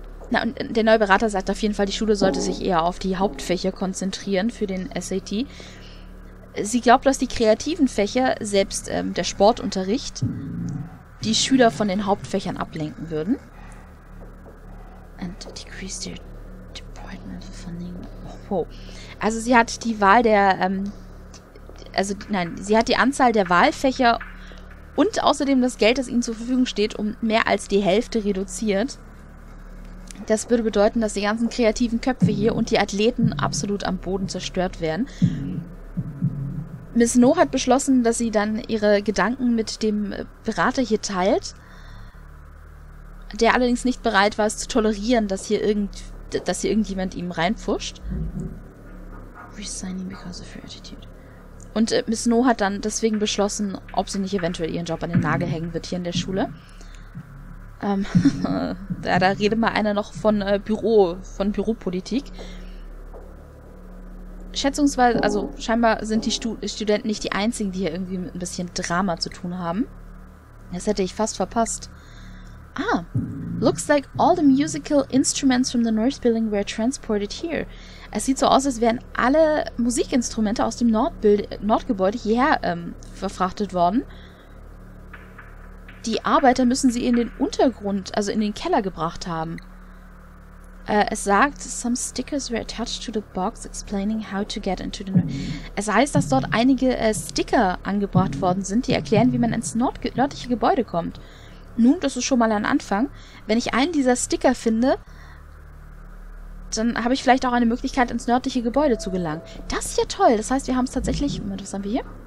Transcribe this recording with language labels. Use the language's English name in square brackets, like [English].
[German] Na, und der neue Berater sagt auf jeden Fall, die Schule sollte sich eher auf die Hauptfächer konzentrieren für den SAT. Sie glaubt, dass die kreativen Fächer, selbst der Sportunterricht, die Schüler von den Hauptfächern ablenken würden. [English] And decrease their departmental funding. Wow. [German] Also sie hat die Wahl der, sie hat die Anzahl der Wahlfächer und außerdem das Geld, das ihnen zur Verfügung steht, um mehr als die Hälfte reduziert. Das würde bedeuten, dass die ganzen kreativen Köpfe hier und die Athleten absolut am Boden zerstört werden. Miss No hat beschlossen, dass sie dann ihre Gedanken mit dem Berater hier teilt, der allerdings nicht bereit war, es zu tolerieren, dass hier irgendjemand ihm reinpfuscht. [English] Resigning because of her attitude. [German] Und Miss No hat dann deswegen beschlossen, ob sie nicht eventuell ihren Job an den Nagel hängen wird hier in der Schule. da redet mal einer noch von Büropolitik. Schätzungsweise, also scheinbar sind die Studenten nicht die einzigen, die hier irgendwie mit ein bisschen Drama zu tun haben. Das hätte ich fast verpasst. [English] Ah, looks like all the musical instruments from the North Building were transported here. [German] Es sieht so aus, als wären alle Musikinstrumente aus dem Nordgebäude hierher verfrachtet worden. Die Arbeiter müssen sie in den Untergrund, also in den Keller gebracht haben. Es sagt, [English] some stickers were attached to the box explaining how to get into the... [German] Es heißt, dass dort einige Sticker angebracht worden sind, die erklären, wie man ins nördliche Gebäude kommt. Nun, das ist schon mal ein Anfang. Wenn ich einen dieser Sticker finde, dann habe ich vielleicht auch eine Möglichkeit, ins nördliche Gebäude zu gelangen. Das ist ja toll. Das heißt, wir haben es tatsächlich... Moment, was haben wir hier?